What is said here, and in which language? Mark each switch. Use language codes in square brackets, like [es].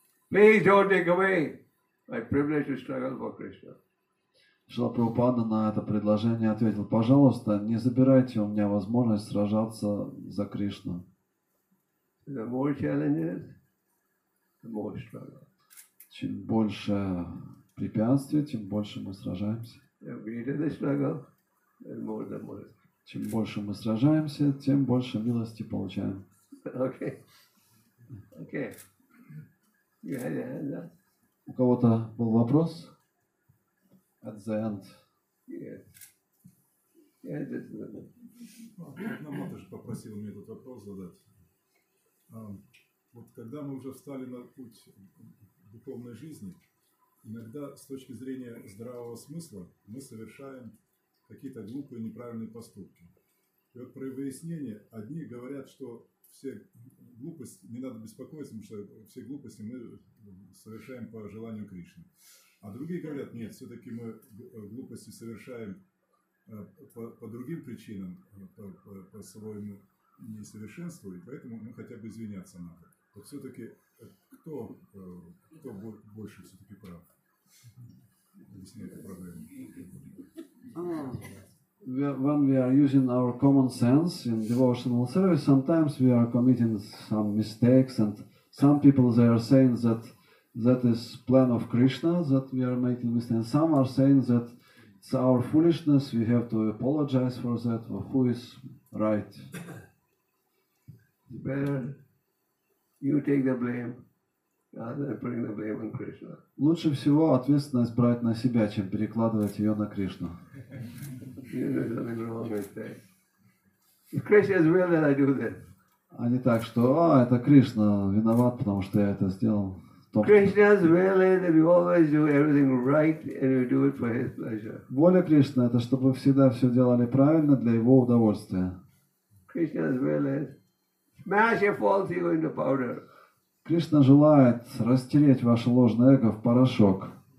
[en] Please don't take away my privilege to struggle for Krishna. [ru] Шрила Прабхупада на это предложение ответил: пожалуйста, не забирайте у меня возможность сражаться за Кришну. [en] The more challenges, the more struggle. [ru] Чем больше препятствий, тем больше мы сражаемся. [en] The greater the struggle, the more the more. [ru] Чем больше мы сражаемся, тем больше милости получаем. [en] Okay. Okay. You had your hand up? [ru] У кого-то был вопрос? [en] At the end. Yeah. Yeah, just... [ru] Ну, Матыш попросил мне этот вопрос задать. Вот когда мы уже встали на путь духовной жизни, иногда с точки зрения здравого смысла мы совершаем какие-то глупые, неправильные поступки. И вот про выяснение. Одни говорят, что все глупости, не надо беспокоиться, потому что все глупости мы совершаем по желанию Кришны. А другие говорят, нет, все-таки мы глупости совершаем по другим причинам, по своему несовершенству, и поэтому мы хотя бы извиняться надо. Вот все-таки кто больше все-таки прав? Объясняет проблему. [en] When we are using our common sense in devotional service, sometimes we are committing some mistakes, and some people they are saying that that is plan of Krishna that we are making mistakes. And some are saying that it's our foolishness, we have to apologize for that. Or who is right? Better you take the blame rather than putting the blame on Krishna. [ru] Лучше всего ответственность брать на себя, чем перекладывать ее на Кришну. [en] If Krishna is willing, I do this. [ru] А не так, что это Кришна виноват, потому что я это сделал. [en] Krishna's will is that we always do everything right and we do it for His pleasure. [ru] Воля Кришны — это чтобы всегда все делали правильно для Его удовольствия. [en] Krishna's will is smash your false ego into powder. [ru] Кришна желает растереть ваше ложное эго в порошок.